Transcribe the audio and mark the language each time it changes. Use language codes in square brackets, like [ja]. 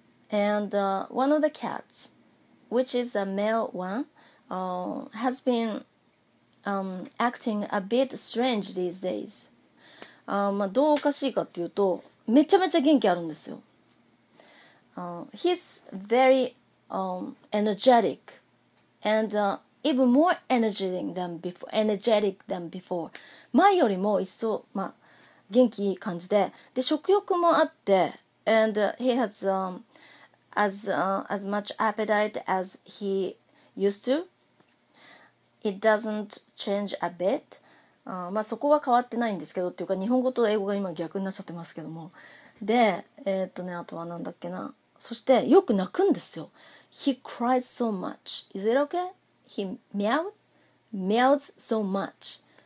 [en] And one of the cats, which is a male one, has been acting a bit strange these days. [ja] まあ、どうおかしいかっていうと、めちゃめちゃ元気あるんですよ。 [en] He's very energetic and even more energetic than before. [ja] 前よりも一層、まあ、元気いい感じで、で食欲もあって、 [en] and he has as much appetite as he used to. It doesn't change a bit. [ja] まあそこは変わってないんですけど、っていうか日本語と英語が今逆になっちゃってますけども。で、あとはなんだっけな。そしてよく泣くんですよ。 [en] He cries so much. Is it okay? He meows so much.